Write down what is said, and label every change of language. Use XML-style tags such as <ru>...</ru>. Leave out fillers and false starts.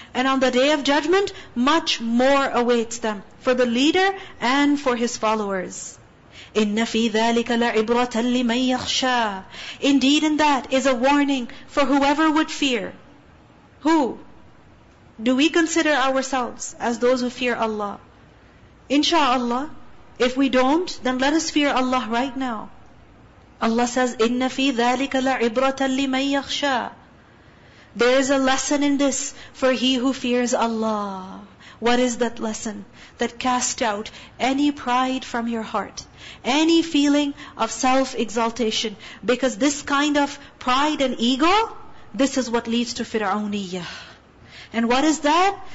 <en>And on the day of judgment, much more awaits them for the leader and for his followers.</en> <ar>إِنَّ فِي ذَلِكَ لَعِبْرَةً لِمَنْ يَخْشَى.</ar> <en>Indeed in that is a warning for whoever would fear. Who? Do we consider ourselves as those who fear Allah? InshaAllah, if we don't, then let us fear Allah right now. Allah says,</en> <ar>إِنَّ فِي ذَلِكَ لَعِبْرَةً لِمَنْ يَخْشَى.</ar> <en>There is a lesson in this for he who fears Allah. What is that lesson? That cast out any pride from your heart, any feeling of self-exaltation. Because this kind of pride and ego, this is what leads to Fir'auniyyah. And what is that?</en>